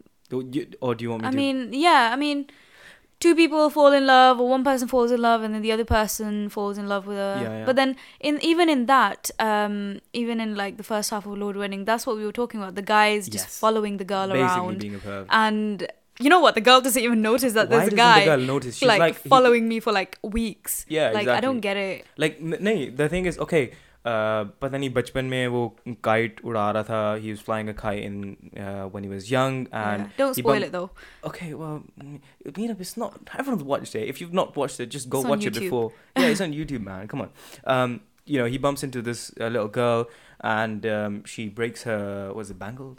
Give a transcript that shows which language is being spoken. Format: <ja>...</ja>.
<en>I mean, two people fall in love, or one person falls in love, and then the other person falls in love with her. Yeah, yeah. But then, even in the first half of Lord Wedding, that's what we were talking about. The guy is just following the girl basically around. Being a perv. And you know what? The girl doesn't even notice that there's a guy. Why doesn't the girl notice? She's like following me for like weeks. Yeah, like, exactly. I don't get it. Like, the thing is, okay,</en> <ur>پتا نہیں بچپن میں وہ kite اڑا رہا تھا۔</ur> <en>He was flying a kite in when he was young, and yeah. Don't spoil it though. Okay, well, you know, it's not, everyone's watched it. If you've not watched it, just go it's watch on it before. Yeah, it's on YouTube, man. Come on. You know, he bumps into this little girl, and she breaks her, was it bangles?</en>